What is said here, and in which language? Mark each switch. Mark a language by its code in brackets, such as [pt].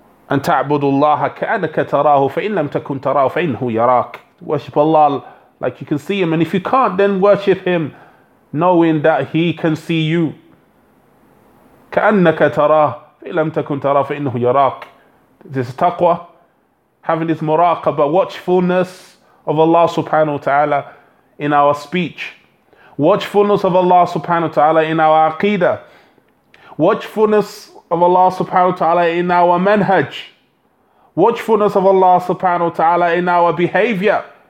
[ar] أن تعبد الله كأنك تراه فإن لم تكن تراه فإنه يراك. [en] Worship Allah like you can see Him. And if you can't, then worship Him knowing that He can see you. [ar] كأنك تراه فإن لم تكن تراه فإنه يراك. [en] This is taqwa. Having this muraqaba, watchfulness of Allah subhanahu wa ta'ala in our speech. Watchfulness of Allah subhanahu wa ta'ala in our aqeedah. Watchfulness of Allah subhanahu wa ta'ala in our manhaj. Watchfulness of Allah subhanahu wa ta'ala in our behavior.